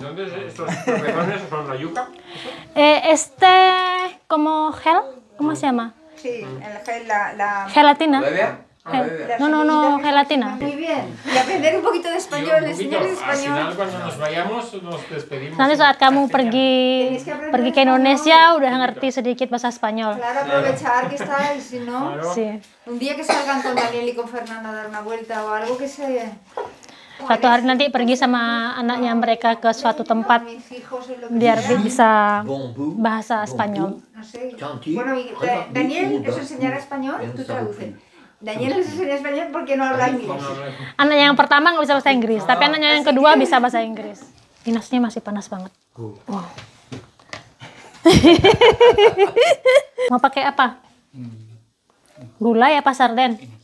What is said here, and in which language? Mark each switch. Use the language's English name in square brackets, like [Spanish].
[Spanish] ¿Dónde se estos la yuca? Este como gel, ¿cómo se llama? Sí, el gel la gelatina. ¿La bebé? No, gelatina. Muy bien. Y aprender un poquito de español, enseñarles español. Al final cuando nos vayamos nos despedimos. [Indonesian] Nanti saat kamu pergi ke Indonesia udah ngerti sedikit bahasa Spanyol. [Spanish] Claro, aprovechar que estáis, ¿no? Claro. Sí. Un día que salgan con Daniel y con Fernanda a dar una vuelta o algo que se... [Indonesian] Satu hari nanti pergi sama anaknya mereka ke suatu tempat biar bisa bahasa Spanyol. [Spanish] Bueno, Daniel, ¿eso enseñará español? Tú traduce. Daniel les enseña español porque no habla inglés. [Indonesian] Anak yang pertama enggak bisa bahasa Inggris, tapi anaknya yang kedua bisa bahasa Inggris. Dinasnya masih panas banget. Wow. Mau pakai apa? Gulai apa sarden?